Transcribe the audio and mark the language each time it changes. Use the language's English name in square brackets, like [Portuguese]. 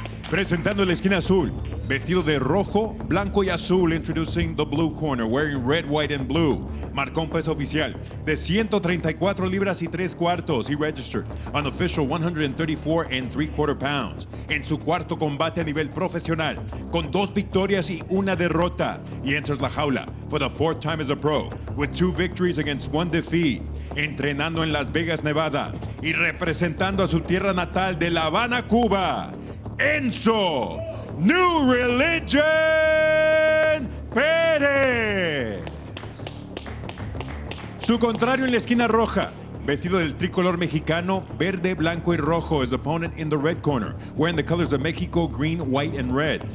[Spanish] Presentando la esquina azul, vestido de rojo, blanco y azul, [English] introducing the blue corner, wearing red, white and blue. [Spanish] Marcó un peso oficial de 134 libras y 3 cuartos. [English] He registered an official 134 and 3 quarter pounds. [Spanish] En su cuarto combate a nivel profesional, con 2 victorias y 1 derrota. [English] He enters [Spanish] la jaula [English] for the 4th time as a pro, with 2 victories against 1 defeat. [Spanish] Entrenando en Las Vegas, Nevada, y representando a su tierra natal de La Habana, Cuba, Enzo New Religion Perez. Su contrario en la esquina roja, vestido del tricolor mexicano, verde, blanco y rojo. [English] His opponent in the red corner, wearing the colors of Mexico, green, white and red.